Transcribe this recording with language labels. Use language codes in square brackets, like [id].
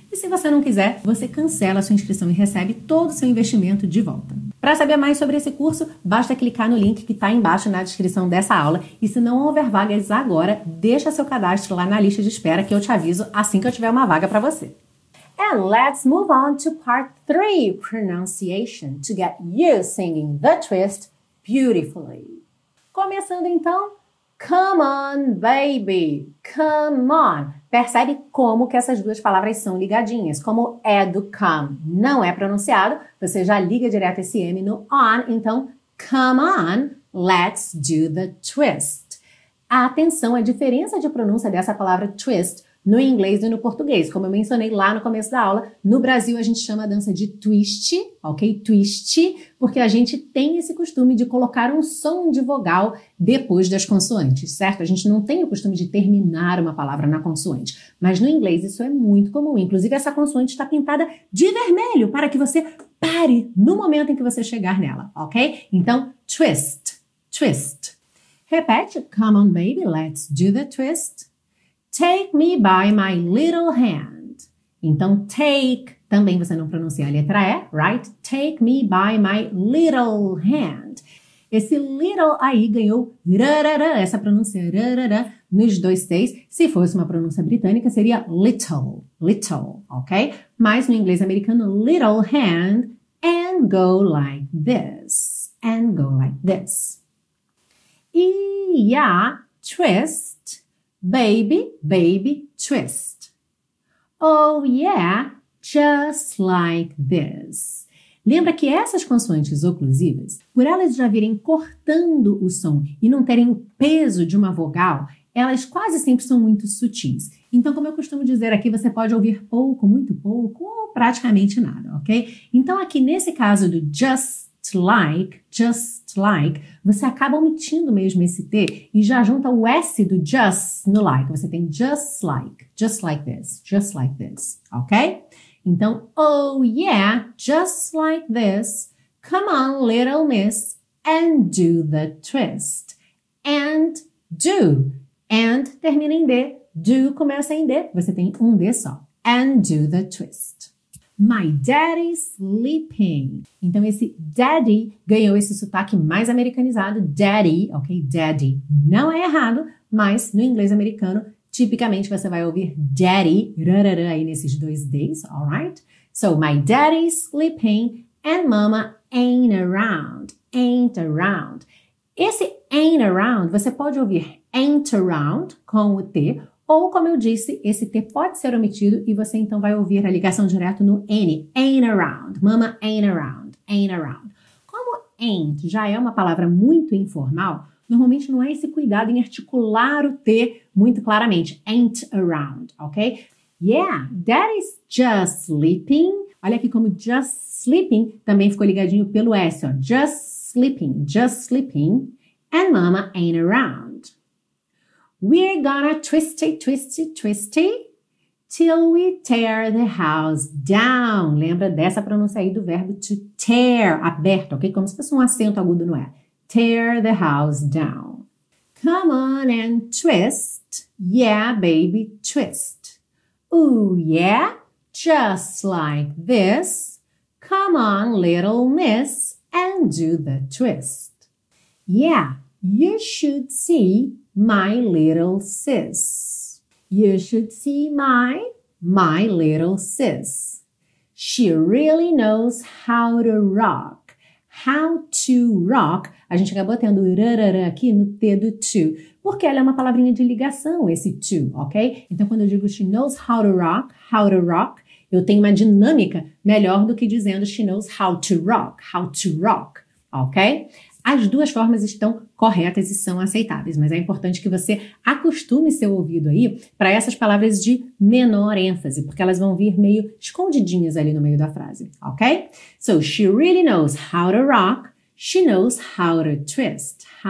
[pt] E se você não quiser, você cancela a sua inscrição e recebe todo o seu investimento de volta. Para saber mais sobre esse curso, basta clicar no link que está embaixo na descrição dessa aula. E se não houver vagas agora, deixa seu cadastro lá na lista de espera que eu te aviso assim que eu tiver uma vaga para você. [en] And let's move on to part 3, pronunciation, to get you singing the twist beautifully. [pt] Começando então, [en] come on, baby, come on. [pt] Percebe como que essas duas palavras são ligadinhas. Como é do come, não é pronunciado, você já liga direto esse M no on. Então, [en] come on, let's do the twist. [pt] Atenção, a diferença de pronúncia dessa palavra twist no inglês e no português. Como eu mencionei lá no começo da aula, no Brasil a gente chama a dança de twist, ok? Twist, porque a gente tem esse costume de colocar um som de vogal depois das consoantes, certo? A gente não tem o costume de terminar uma palavra na consoante. Mas no inglês isso é muito comum. Inclusive essa consoante está pintada de vermelho para que você pare no momento em que você chegar nela, ok? Então, [en] twist, twist. [pt] Repete, [en] come on baby, let's do the twist. Take me by my little hand. [pt] Então, take, também você não pronuncia a letra E, right? [en] Take me by my little hand. [pt] Esse little aí ganhou rarara, essa pronúncia rarara, nos dois T's. Se fosse uma pronúncia britânica, seria little, little, ok? Mas no inglês americano, [en] little hand, and go like this, and go like this. E a twist. Baby, baby, twist. Oh, yeah, just like this. [pt] Lembra que essas consoantes oclusivas, por elas já virem cortando o som e não terem o peso de uma vogal, elas quase sempre são muito sutis. Então, como eu costumo dizer aqui, você pode ouvir pouco, muito pouco, ou praticamente nada, ok? Então, aqui nesse caso do just like, você acaba omitindo mesmo esse T e já junta o S do just no like. Você tem [en] just like this, ok? [pt] Então, [en] oh yeah, just like this, come on little miss and do the twist. [pt] And do, and termina em D, do começa em D, você tem um D só. [en] And do the twist. My daddy's sleeping. [pt] Então, esse daddy ganhou esse sotaque mais americanizado. Daddy, ok? Daddy. Não é errado, mas no inglês americano, tipicamente você vai ouvir daddy rarara, aí nesses dois D's, alright? [en] So, my daddy's sleeping and mama ain't around. Ain't around. [pt] Esse ain't around, você pode ouvir ain't around com o T. Ou, como eu disse, esse T pode ser omitido e você então vai ouvir a ligação direto no N. Ain't around. [en] Mama ain't around. Ain't around. [pt] Como ain't já é uma palavra muito informal, normalmente não é esse cuidado em articular o T muito claramente. [en] Ain't around, ok? Yeah, that is just sleeping. [pt] Olha aqui como just sleeping também ficou ligadinho pelo S, ó. [en] Just sleeping. And mama ain't around. We're gonna twisty, twisty, twisty till we tear the house down. [pt] Lembra dessa pronúncia aí do verbo to tear, aberto, ok? Como se fosse um acento agudo, não é? [en] Tear the house down. Come on and twist. Yeah, baby, twist. Ooh, yeah, just like this. Come on, little miss, and do the twist. Yeah, you should see my little sis. You should see my little sis. She really knows how to rock. How to rock. [pt] A gente acabou tendo rarara aqui no T do to, porque ela é uma palavrinha de ligação, esse to, ok? Então, quando eu digo [en] she knows how to rock, [pt] eu tenho uma dinâmica melhor do que dizendo she knows how to rock, ok? As duas formas estão corretas e são aceitáveis, mas é importante que você acostume seu ouvido aí para essas palavras de menor ênfase, porque elas vão vir meio escondidinhas ali no meio da frase, ok? [en] So, she really knows how to rock, she knows how to twist.